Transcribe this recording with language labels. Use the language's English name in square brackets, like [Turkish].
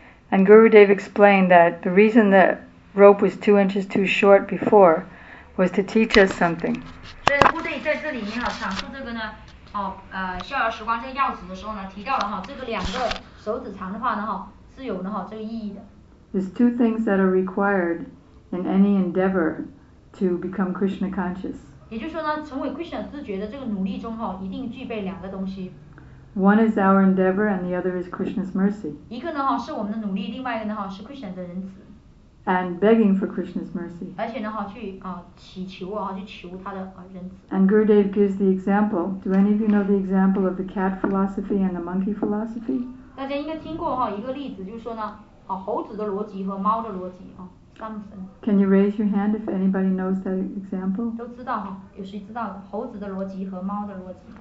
[English] And Gurudev explained that the reason the rope was 2 inches too short before was to teach us something. [Chinese] 所以顾队在这里面哈阐述这个呢，逍遥时光这个钥匙的时候呢，提到了哈这个两个手指长的话呢哈是有呢哈这个意义的。 [English] There's two things that are required in any endeavor to become Krishna conscious. [Chinese] 也就是说呢，成为 Krishna 知觉的这个努力中哈，一定具备两个东西。 [English] One is our endeavor, and the other is Krishna's mercy. [Chinese] 一个呢哈是我们的努力，另外一个呢哈是 Krishna 的仁慈。 [English] And begging for Krishna's mercy. [Chinese] 而且呢，哈去啊祈求啊，去求他的仁慈。 [English] And Gurudev gives the example. Do any of you know the example of the cat philosophy and the monkey philosophy? [Chinese] 大家应该听过哈一个例子，就是说呢，猴子的逻辑和猫的逻辑啊， [English] Can you raise your hand if anybody knows that example? [Chinese] 都知道哈，有谁知道猴子的逻辑和猫的逻辑？